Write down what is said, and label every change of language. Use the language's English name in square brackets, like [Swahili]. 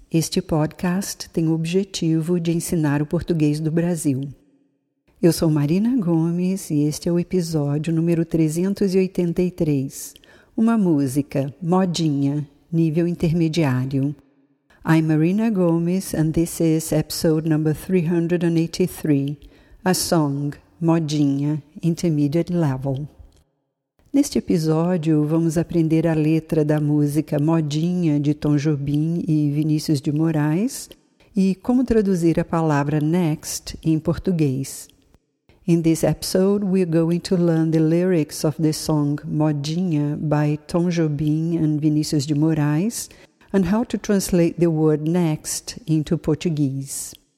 [Portuguese] Este podcast tem o objetivo de ensinar o português do Brasil. Eu sou Marina Gomes e este é o episódio número 383. Uma música, modinha, nível intermediário. [English] I'm Marina Gomes and this is episode number 383. A song. Modinha, Intermediate Level. [Portuguese] Neste episódio, vamos aprender a letra da música Modinha, de Tom Jobim e Vinícius de Moraes, e como traduzir a palavra next em português. [English] In this episode, we are going to learn the lyrics of the song Modinha, by Tom Jobim and Vinícius de Moraes, and how to translate the word next into Portuguese.